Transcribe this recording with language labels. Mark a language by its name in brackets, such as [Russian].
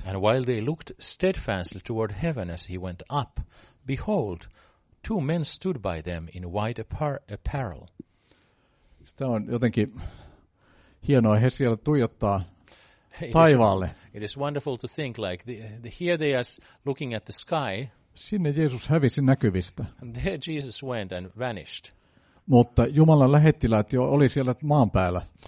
[English] And while they looked steadfastly toward heaven as he went up, behold, two men stood by them in white apparel. [Finnish] Tämä on jotenkin hienoa, he siellä tuijottaa taivaalle. [English] It is wonderful to think like here they are looking at the sky. [Finnish] Sinne Jeesus hävisi näkyvistä. [English] And there Jesus went and vanished. [Finnish] Mutta Jumalan lähettiläät jo oli siellä maan päällä.